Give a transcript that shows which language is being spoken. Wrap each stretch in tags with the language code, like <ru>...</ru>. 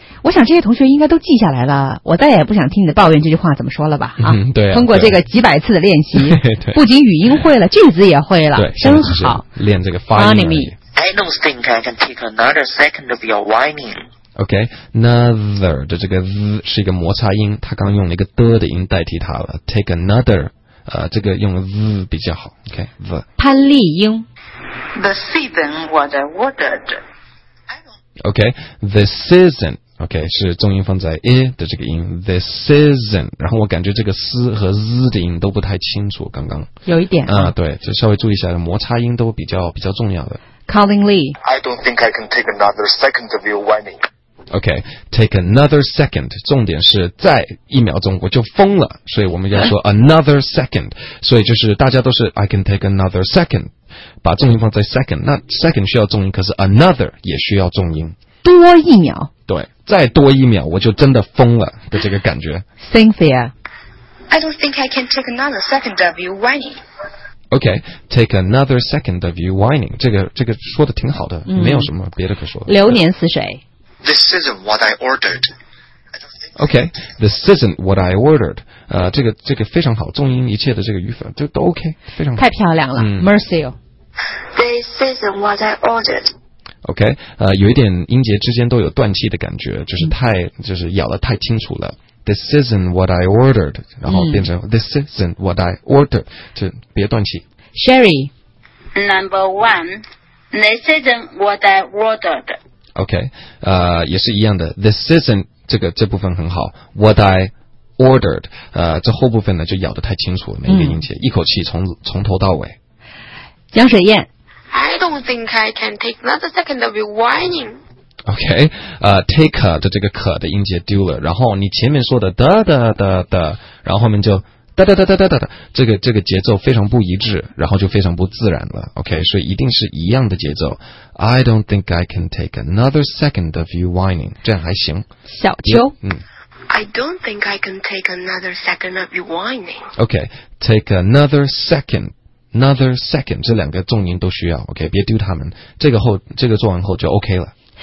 <zh>我想这些同学应该都记下来了我再也不想听你的抱怨这句话怎么说了吧、啊嗯、对、啊、通过这个几百次的练习对对不仅语音会了句子也会了对真好练这个发音</zh> <en>Anime I don't think I can take another second of your whining</en> <zh>OK another 的这个 z 是一个摩擦音他刚用了一个的的音代替它了</zh> <en>take another</en> <zh>这个用 z 比较好 OK z 潘丽英</zh> <en>The season was awarded</en> <zh>OK</zh> <en>The season</en> <zh>OK 是重音放在 I 的这个音</zh> <en>This isn't</en> <zh>然后我感觉这个 S 和 Z 的音都不太清楚刚刚有一点啊，对就稍微注意一下摩擦音都比较重要的</zh> <en>Colin Lee I don't think I can take another second of your whining</en> <zh>OK</zh> <en>take another second</en> <zh>重点是再一秒钟我就疯了所以我们要说 another second 所以就是大家都是</zh> <en>I can take another second</en> <zh>把重音放在 second 那 second 需要重音可是 another 也需要重音多一秒对再多一秒我就真的疯了的这个感觉</zh> <en>Cynthia I don't think I can take another second of you whining OK, take another second of you whining.</en> <zh>这个说的挺好的、嗯、没有什么别的可说。流年是谁？</zh> <en>This isn't what I ordered. OK, this isn't what I ordered.</en> <zh>这个非常好，重音一切的这个语法就都 OK, 非常好。太漂亮了、嗯、</zh> <en>Mercy. This isn't what I ordered.</en> <zh>OK, 有一点音节之间都有断气的感觉，就是太、嗯、就是咬得太清楚了。</zh> <en>This isn't what I ordered, 然后变成、嗯、 This isn't what I ordered,</en> <zh>就别断气。</zh> <en>Sherry, number one, this isn't what I ordered.</en> <zh>OK, 也是一样的。</zh> <en>This isn't,</en> <zh>这部分很好。</zh> <en>What I ordered,</en> <zh>这后部分呢就咬得太清楚了，每一个音节、嗯、一口气从头到尾。江水燕。</zh> <en>I don't think I can take another second of your whining.</en> <zh>OK, take 的这个可的音节丢了，然后你前面说的哒哒哒哒，然后后面就哒哒哒哒哒哒哒，这个节奏非常不一致，然后就非常不自然了。 OK, 所以一定是一样的节奏。</zh> <en>I don't think I can take another second of your whining.</en> <zh>这样还行。小秋，嗯。</zh> <en>I don't think I can take another second of your whining. OK, take another second. Another second,</en> <zh>这两个重音都需要</zh> <en>,OK,</en> <zh>别丢他们。这个做完后就 OK 了。</zh>